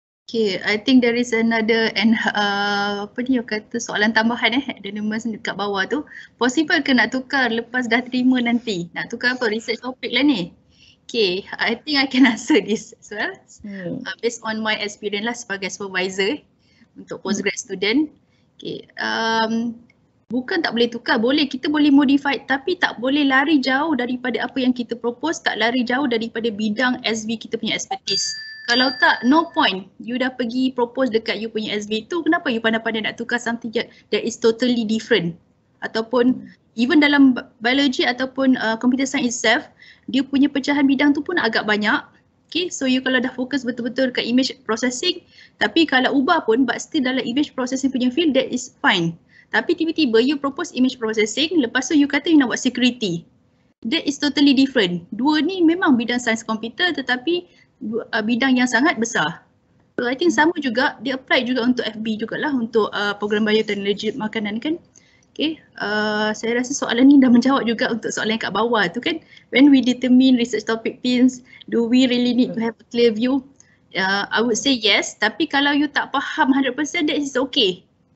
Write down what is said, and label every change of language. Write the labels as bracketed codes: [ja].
[en] Okay, I think there is another and [ms] apa ni, you kata soalan tambahan eh, anonymous dekat bawah tu. Possible ke nak tukar lepas dah terima nanti? Nak tukar apa? Research topic lah ni. [en] Okay, I think I can answer this as well. Based on my experience lah sebagai supervisor untuk postgrad student. [ms] Okay, bukan tak boleh tukar, boleh. Kita boleh modify tapi tak boleh lari jauh daripada apa yang kita propose, tak lari jauh daripada bidang SV kita punya expertise. Kalau tak, [en] no point. [ms] You dah pergi propose dekat you punya SV tu, kenapa you pandai-pandai nak tukar [en] something that is totally different? [ms] Ataupun even dalam biology ataupun computer science itself, dia punya pecahan bidang tu pun agak banyak. Okay, so you kalau dah fokus betul-betul dekat image processing, tapi kalau ubah pun but still dalam image processing punya field, [en] that is fine. [ms] Tapi tiba-tiba you propose image processing, lepas tu you kata you nak buat security. [en] That is totally different. [ms] Dua ni memang bidang sains komputer tetapi bidang yang sangat besar. So I think sama juga, dia apply juga untuk FB jugalah, untuk program bioteknologi makanan kan. Okay, saya rasa soalan ni dah menjawab juga untuk soalan yang kat bawah tu kan. [en] When we determine research topic pins, do we really need to have a clear view? I would say yes, [ms] tapi kalau you tak faham [en] 100%, that is okay.